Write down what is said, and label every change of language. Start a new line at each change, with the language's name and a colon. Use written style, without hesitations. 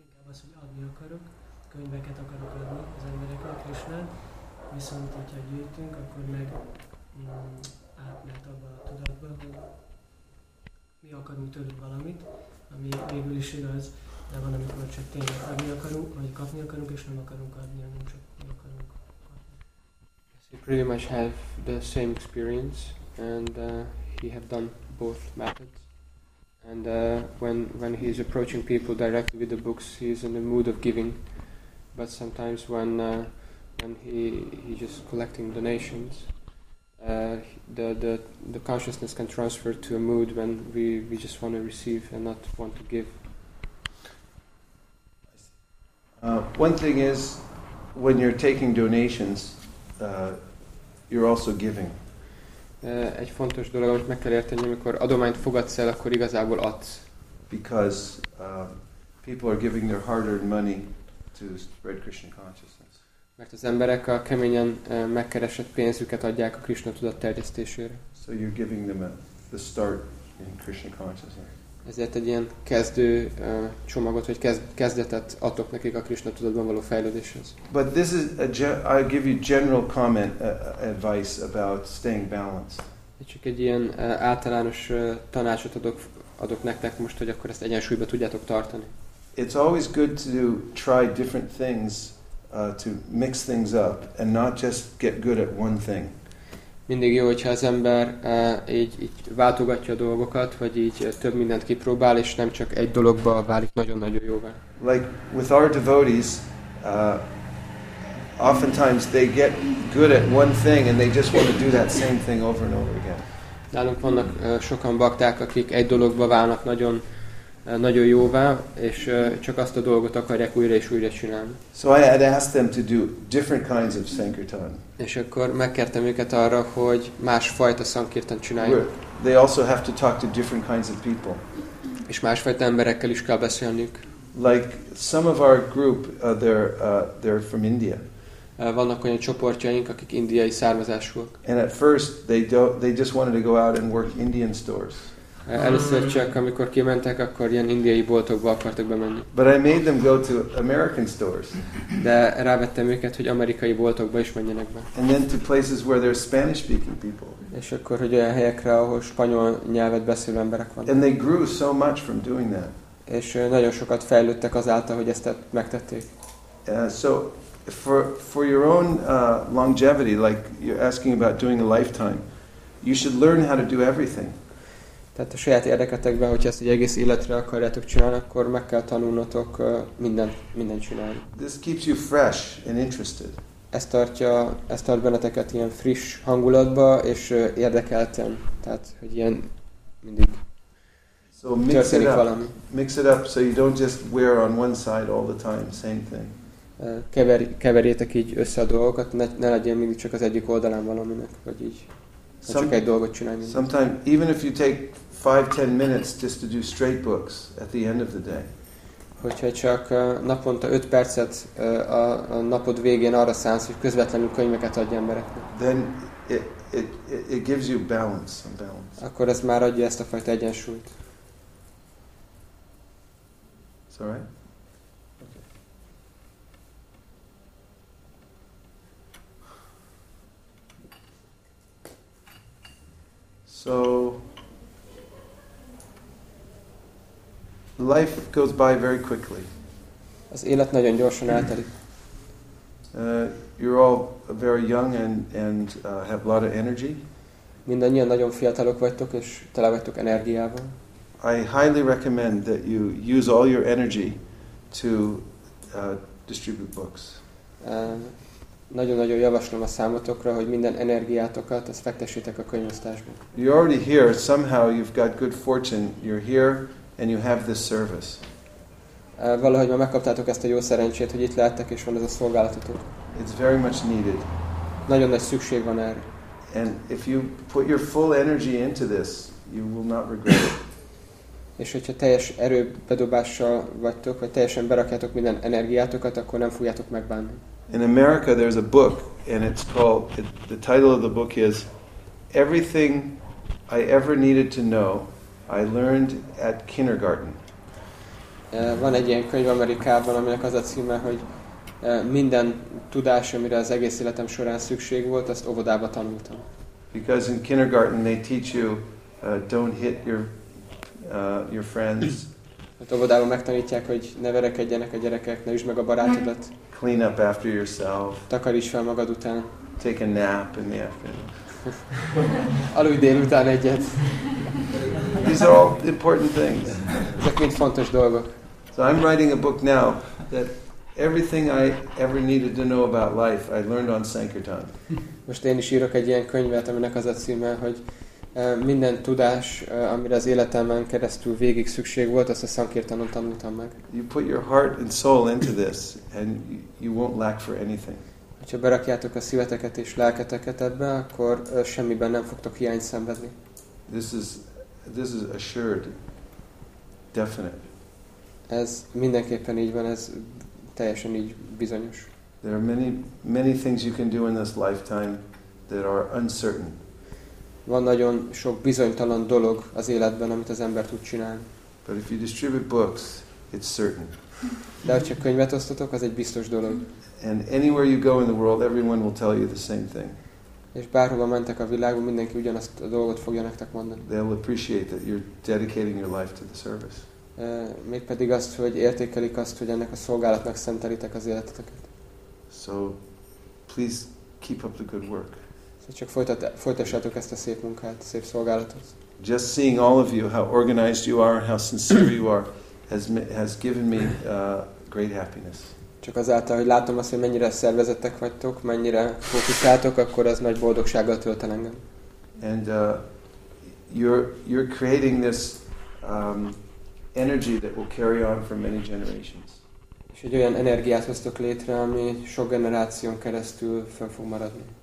Hungarian: az, hogy adni akarok, könyveket akarok adni az embereknek, Krisnán, viszont hogyha gyűjtünk, akkor meg átmehet abba a tudatba, hogy mi akarunk tőlük valamit, ami végül is igaz, de van, amikor csak tényleg adni akarunk, vagy kapni akarunk, és nem akarunk adni, hanem csak mi akarunk kapni.
English: You pretty much have the same experience, and he have done both methods. And when he is approaching people directly with the books, he is in the mood of giving. But sometimes when he just collecting donations, the consciousness can transfer to a mood when we just want to receive and not want to give. One thing is, when you're taking donations, you're also giving.
Hungarian: Egy fontos dolog, amit meg kell érteni, amikor adományt fogadsz el, akkor igazából adsz.
English: Because people are giving their hard-earned money to spread Krishna consciousness.
Hungarian: Mert az emberek a keményen megkeresett pénzüket adják a Krishna tudat terjesztésére.
English: So you're giving them the start in Krishna consciousness.
Hungarian: Ezért egy ilyen kezdő csomagot, vagy kezdetet adok nekik a Krishna tudatban való fejlődéshez.
English: But this is I'll give you general comment advice about staying balanced.
Hungarian: Csak egy ilyen általános tanácsot adok nektek most, hogy akkor ezt egyensúlyba tudjátok tartani.
English: It's always good to try different things, to mix things up, and not just get good at one thing.
Hungarian: Mindig jó, hogyha az ember így váltogatja a dolgokat, vagy így több mindent kipróbál, és nem csak egy dologba válik nagyon-nagyon jóvá.
English: Like with our devotees, oftentimes they get good at one thing, and they just want to do that same thing over and over again.
Hungarian: Nálunk vannak sokan bakták, akik egy dologba válnak nagyon jóvá, és csak azt a dolgot akarják újra és újra csinálni.
English: So I had asked them to do different kinds of sankirtan.
Hungarian: És akkor megkértem őket arra, hogy más fajta sankirtan csináljuk.
English: They also have to talk to different kinds of people.
Hungarian: És más fajta emberekkel is kell beszélniük.
English: Like some of our group, they're from India.
Hungarian: Vannak olyan csoportjaink, akik indiai származásúak.
English: And at first they just wanted to go out and work Indian stores.
Hungarian: Először csak, amikor kimentek, akkor ilyen indiai boltokba akartak bemenni.
English: But I made them go to American stores.
Hungarian: De rávettem őket, hogy amerikai boltokba is menjenek be.
English: And then to places where there are Spanish-speaking people.
Hungarian: És akkor, hogy olyan helyekre, ahol spanyol nyelvet beszélő emberek vannak.
English: And they grew so much from doing that.
Hungarian: És nagyon sokat fejlődtek azáltal, hogy ezt megtették.
English: So for your own longevity, like you're asking about doing a lifetime, you should learn how to do everything.
Hungarian: Tehát a saját érdeketekben, hogyha ezt egy egész életre akarjátok csinálni, akkor meg kell tanulnotok mindent csinálni.
English: This keeps you fresh and interested.
Hungarian: Ez tart benneteket ilyen friss hangulatba, és érdekelten. Tehát, hogy ilyen mindig
English: so mix
Hungarian: történik
English: it up,
Hungarian: valami.
English: Mix it up so you don't just wear on one side all the time, same thing.
Hungarian: Keverjétek így össze a dolgokat, ne legyen mindig csak az egyik oldalán valaminek, vagy így.
English: Sometimes, even if you take 5-10 minutes just to do straight books at the end of the day.
Hungarian: Hogyha csak naponta 5 percet a napod végén arra szánsz, hogy közvetlenül könyveket adj embereknek.
English: Then it gives you balance, some balance.
Hungarian: Akkor ez már adja ezt a fajta egyensúlyt.
English: Sorry? So life goes by very quickly.
Hungarian: Az élet nagyon gyorsan eltelik.
English: You're all very young and have a lot of energy.
Hungarian: Mindannyian nagyon fiatalok vagytok és tele vagytok energiával.
English: I highly recommend that you use all your energy to distribute books.
Hungarian: Nagyon-nagyon javaslom a számotokra, hogy minden energiátokat ezt fektessétek a könyvosztásba.
English: You're already here, somehow you've got good fortune, you're here, and you have this service.
Hungarian: Valahogy már megkaptátok ezt a jó szerencsét, hogy itt lehettek, és van ez a szolgálatotok.
English: It's very much needed.
Hungarian: Nagyon nagy szükség van erre.
English: And if you put your full energy into this, you will not regret it.
Hungarian: És hogyha teljes erőbedobással vagytok, vagy teljesen berakjátok minden energiátokat, akkor nem fogjátok megbánni.
English: In America, there's a book, and it's called, the title of the book is Everything I Ever Needed to Know, I Learned at Kindergarten.
Hungarian: Van egy ilyen könyv Amerikában, aminek az a címe, hogy minden tudás, amire az egész életem során szükség volt, azt óvodába tanultam.
English: Because in kindergarten they teach you don't hit your friends.
Hungarian: Hát óvodában megtanítják, hogy ne verekedjenek a gyerekek, ne üsd meg a barátodat.
English: Clean up after yourself.
Hungarian: Takaríts fel magad után.
English: Take a nap in the afternoon.
Hungarian: Aludj délután egyet.
English: These are all important things.
Hungarian: Ezek mind fontos dolgok.
English: So I'm writing a book now that everything I ever needed to know about life I learned on Sankirtan.
Hungarian: Most én is írok egy ilyen könyvet, aminek az a címe, hogy minden tudás, amire az életemben keresztül végig szükség volt, azt a Sankirtanon tanultam meg.
English: You put your heart and soul into this and you won't lack for anything.
Hungarian: Ha berakjátok a szíveteket és lelketeket ebbe, akkor semmiben nem fogtok hiányt szenvedni.
English: This is assured, definite.
Hungarian: Ez mindenképpen így van, ez teljesen így bizonyos.
English: There are many many things you can do in this lifetime that are uncertain.
Hungarian: Van nagyon sok bizonytalan dolog az életben, amit az ember tud csinálni.
English: But if you distribute books, it's certain.
Hungarian: De ha csak könyvet osztotok, az egy biztos dolog.
English: And anywhere you go in the world, everyone will tell you the same thing.
Hungarian: És bárhova mentek a világon, mindenki ugyanazt a dolgot fogja nektek mondani.
English: They'll appreciate that you're dedicating your life to the service.
Hungarian: Mégpedig azt, hogy értékelik azt, hogy ennek a szolgálatnak szentelitek az életeteket.
English: So, please keep up the good work.
Hungarian: Csak folytassátok ezt a szép munkát, szép szolgálatot.
English: Just seeing all of you, how organized you are, how sincere you are, has given me great happiness.
Hungarian: Csak azáltal, hogy látom azt, hogy mennyire szervezettek vagytok, mennyire fókuszáltok, akkor az nagy boldogsággal tölt el engem.
English: And you're creating this energy that will carry on for many generations.
Hungarian: És egy olyan energiát hoztok létre, ami sok generáción keresztül fel fog maradni.